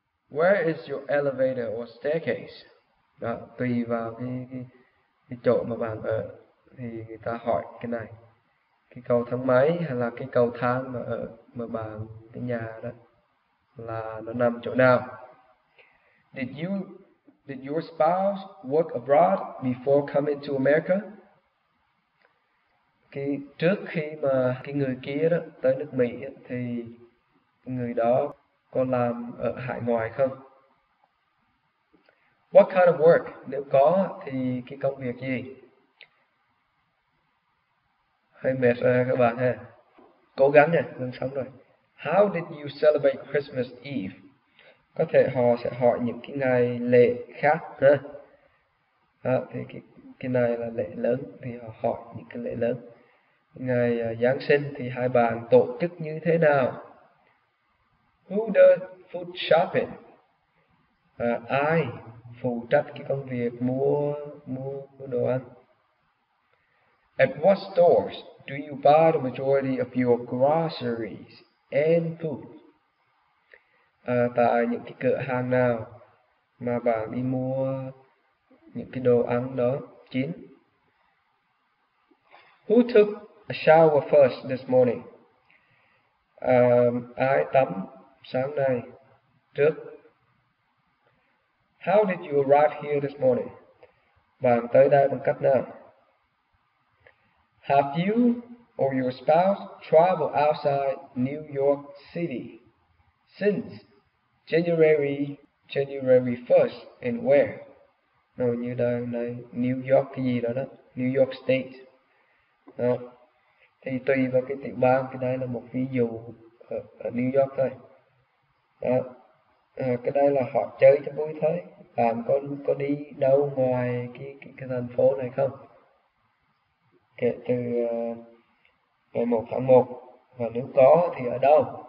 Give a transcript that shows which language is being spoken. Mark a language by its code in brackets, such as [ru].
[en] Where is your elevator or staircase? [vi] Đó, tùy vào cái chỗ mà bạn ở thì người ta hỏi cái này. Cái cầu thang máy hay là cái cầu thang mà ở mà bạn cái nhà đó là nó nằm chỗ nào? [en] Did your spouse work abroad before coming to America? [vi] Cái trước khi mà cái người kia đó tới nước Mỹ thì người đó có làm ở hải ngoại không? [en] What kind of work? [vi] Nếu có thì cái công việc gì? Hơi mệt rồi các bạn ha. Cố gắng nha, gần xong rồi. [en] How did you celebrate Christmas Eve? [vi] Có thể họ sẽ hỏi những cái ngày lễ khác ha. Đó, thì cái này là lễ lớn, thì họ hỏi những cái lễ lớn. Ngày Giáng sinh thì hai bạn tổ chức như thế nào? [en] Who does food shopping? [vi] Ai phụ trách cái công việc mua đồ ăn? [en] At what stores do you buy the majority of your groceries and food? [vi] Tại những cái cửa hàng nào mà bạn đi mua những cái đồ ăn đó chín? [en] Who took a shower first this morning? [vi] Ai tắm sáng nay trước? [en] How did you arrive here this morning? [vi] Bạn tới đây bằng cách nào? [en] Have you or your spouse traveled outside New York City since January 1st and where? [vi] Nào như đây này, New York cái gì đó, New York State. Đó. Thì tùy vào cái tiểu bang, cái này là một ví dụ ở New York thôi. Đó. À, cái đây là họ chơi cho vui thôi. Bạn có đi đâu ngoài cái thành phố này không? Kể từ ngày 1 tháng 1, và nếu có thì ở đâu?